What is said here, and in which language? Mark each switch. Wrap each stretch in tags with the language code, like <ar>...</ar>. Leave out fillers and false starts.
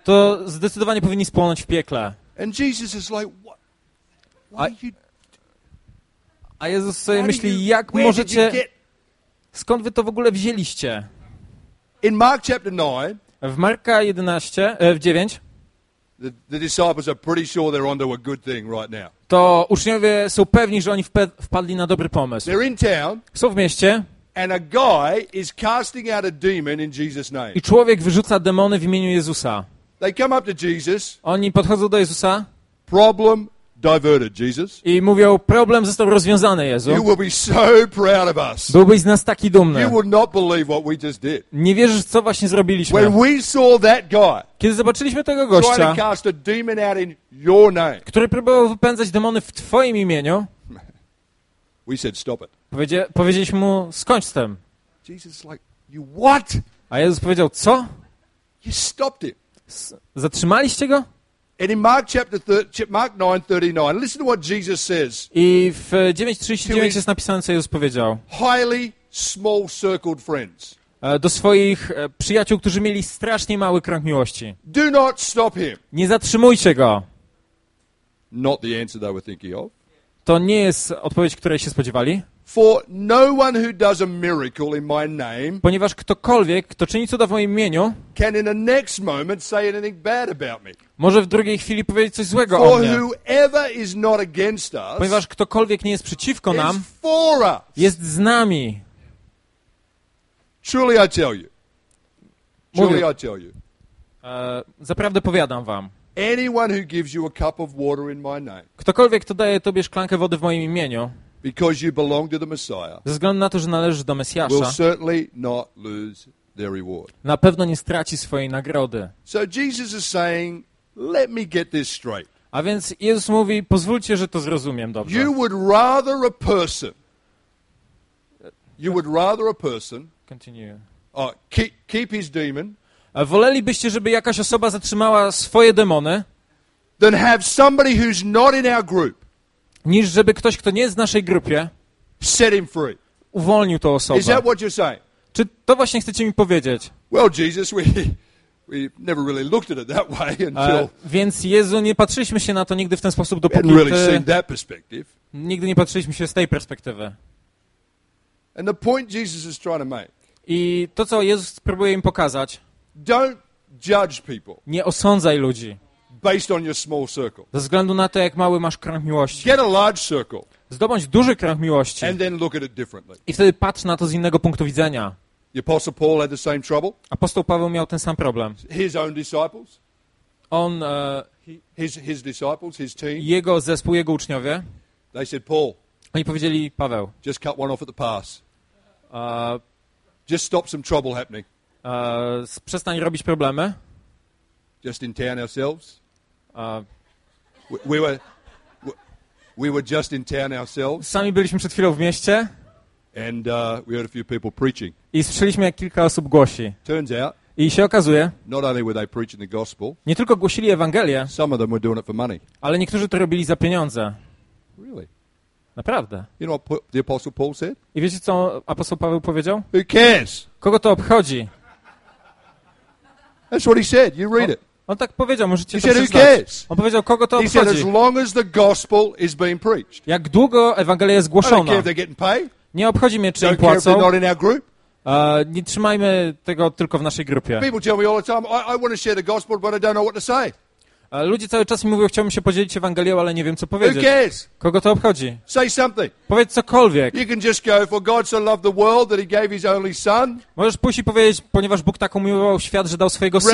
<pl>To zdecydowanie powinni spłonąć w piekle.</pl> <en>And Jesus is like, what? Why you?</en> <pl>A Jezus sobie myśli, jak możecie? Skąd wy to w ogóle wzięliście?</pl> <en>In Mark chapter 9.</en> <pl>W Marka 11, w 9.</pl> <en>The disciples are pretty sure they're onto a good thing right now.</en> <pl>To uczniowie są pewni, że oni wpadli na dobry pomysł.</pl> <en>They're in town.</en> <pl>Są w mieście.</pl> <en>And a guy is casting out a demon in Jesus' name.</en> <pl>I człowiek wyrzuca demony w imieniu Jezusa.</pl> <en>They come up to Jesus.</en> <pl>Oni podchodzą do Jezusa.</pl> <en>Problem diverted, Jesus.</en> <pl>I mówią, problem został rozwiązany, Jezu.</pl> <en>You will be so proud of us.</en> <pl>Byłbyś z nas taki dumny.</pl> <en>You would not believe what we just did.</en> <pl>Nie wierzysz, co właśnie zrobiliśmy.</pl> <en>When we saw that guy,</en> <pl>kiedy zobaczyliśmy tego gościa,</pl> <en>trying to cast a demon out in your name,</en> <pl>który próbował wypędzać demony w twoim imieniu,</pl> <en>we said stop it.</en> <pl>Powiedzieliśmy mu, skończ z tym.</pl> <en>Jesus like, you what?</en> <pl>A Jezus powiedział, co?</pl> <en>You stopped him.</en> <pl>Zatrzymaliście go?</pl> <en>And in Mark chapter 9:39, listen to what Jesus says.</en> <pl>I w 9:39 jest napisane, co Jezus powiedział.</pl> <en>Highly small circled friends.</en> <pl>Do swoich przyjaciół, którzy mieli strasznie mały krąg miłości.</pl> <en>Do not stop him.</en> <pl>Nie zatrzymujcie go.</pl> <en>Not the answer they were thinking of.</en> <pl>To nie jest odpowiedź, której się spodziewali.</pl> <en>For no one who does a miracle in my name,</en> <pl>ponieważ ktokolwiek, kto czyni cuda w moim imieniu,</pl> <en>can in the next moment say anything bad about me.</en> <pl>Może w drugiej chwili powiedzieć coś złego</pl> <en>for</en> <pl>o mnie.</pl> <en>Whoever is not against us,</en> <pl>ponieważ ktokolwiek nie jest przeciwko nam,</pl> <en>is for us.</en> <pl>Jest z nami.</pl> <en>Truly I tell you. Truly I tell you.</en> <pl>Zaprawdę powiadam wam.</pl> <en>Anyone who gives you a cup of water in my name.</en> <pl>Ktokolwiek, kto daje tobie szklankę wody w moim imieniu.</pl> <en>Because you belong to the Messiah.</en> <pl>Ze względu na to, że należysz do Mesjasza.</pl> <en>Will certainly not lose their reward.</en> <pl>Na pewno nie straci swojej nagrody.</pl> <en>So Jesus is saying, let me get this straight.</en> <pl>A więc Jezus mówi, pozwólcie, że to zrozumiem dobrze.</pl> <en>You would rather a person. You would rather a person. Continue. Keep his demon.</en> <pl>Wolelibyście, żeby jakaś osoba zatrzymała swoje demony,</pl> <en>than have somebody who's not in our group,</en> <pl>niż żeby ktoś, kto nie jest w naszej grupie,</pl> <en>set him free,</en> <pl>uwolnił tę osobę.</pl> <en>Is that what you're saying?</en> <pl>Czy to właśnie chcecie mi powiedzieć?</pl> <en>Well, Jesus, we never really looked at it that way until.</en> <pl>Więc Jezu, nie patrzyliśmy się na to nigdy w ten sposób, dopóki</pl> <en>really seen that perspective.</en> <pl>Nigdy nie patrzyliśmy się z tej perspektywy.</pl> <en>And the point Jesus is trying to make.</en> <pl>I to, co Jezus próbuje im pokazać.</pl> <en>Don't judge people.</en> <pl>Nie osądzaj ludzi.</pl> <en>Based on your small circle.</en> <pl>Ze względu na to, jak mały masz krąg miłości.</pl> <en>Get a large circle.</en> <pl>Zdobądź duży krąg miłości.</pl> <en>And then look at it differently.</en> <pl>I wtedy patrz na to z innego punktu widzenia.</pl> <en>The Apostle Paul had the same trouble.</en> <pl>Apostoł Paweł miał ten sam problem.</pl> <en>His own disciples.</en> <pl>On</pl> <en>his disciples, his team.</en> <pl>Jego zespół, jego uczniowie.</pl> <en>They said, Paul.</en> <pl>Oni powiedzieli, Paweł.</pl> <en>Just cut one off at the pass. Just stop some trouble happening.</en> <pl>Przestań robić problemy.</pl> <en>Just in town ourselves. We were just in town ourselves.</en> <pl>Sami byliśmy przed chwilą w mieście.</pl> <en>And we heard a few people preaching.</en> <pl>I słyszeliśmy, jak kilka osób głosi.</pl> <en>Turns out.</en> <pl>I się okazuje.</pl> <en>Not only were they preaching the gospel.</en> <pl>Nie tylko głosili Ewangelię.</pl> <en>Some of them were doing it for money.</en> <pl>Ale niektórzy to robili za pieniądze.</pl> <en>Really?</en> <pl>Naprawdę.</pl> <en>You know what the Apostle Paul said?</en> <pl>I wiecie, co apostoł Paweł powiedział?</pl> <en>Who cares?</en> <pl>Kogo to obchodzi?</pl> <en>That's what he said. You read it.</en> <pl>On tak powiedział, możecie</pl> <en>he</en> <pl>to</pl> <en>said,</en> <pl>przeczytać.</pl> <en>Who cares?</en> <pl>On powiedział, kogo to obchodzi?</pl> <en>He said, as long as the gospel is being preached.</en> <pl>Jak długo Ewangelia jest głoszona.</pl> <en>I don't care if they're getting paid.</en> <pl>Nie obchodzi mnie, czy</pl> <en>don't</en> <pl>im płacą.</pl> <en>Care if they're not in our group.</en> <pl>Nie trzymajmy tego tylko w naszej grupie.</pl> <en>People tell me all the time, I want to share the gospel, but I don't know what to say.</en> <pl>Ludzie cały czas mi mówią, chciałbym się podzielić Ewangelią, ale nie wiem, co powiedzieć.</pl> <en>Who cares?</en> <pl>Kogo to obchodzi?</pl> <en>Say something.</en> <pl>Powiedz cokolwiek.</pl> <en>You can just go, for God so loved the world that he gave his only son.</en> <pl>Możesz pójść i powiedzieć, ponieważ Bóg tak umiłował świat, że dał swojego syna.</pl>